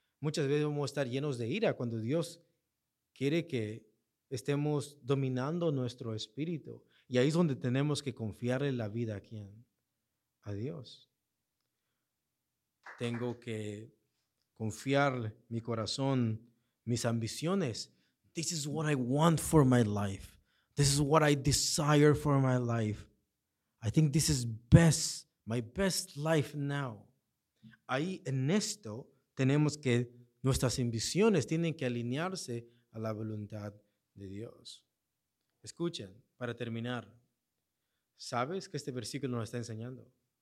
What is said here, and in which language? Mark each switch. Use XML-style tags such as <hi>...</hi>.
<es>Muchas veces vamos a estar llenos de ira cuando Dios quiere que estemos dominando nuestro espíritu. Y ahí es donde tenemos que confiarle la vida a quién, a Dios. Tengo que confiar mi corazón, mis ambiciones.</es> <en>This is what I want for my life. This is what I desire for my life. I think this is best, my best life now.</en> <es>Ahí en esto tenemos que nuestras ambiciones tienen que alinearse a la voluntad de Dios. Escuchen, para terminar, ¿sabes qué este versículo nos está enseñando?</es>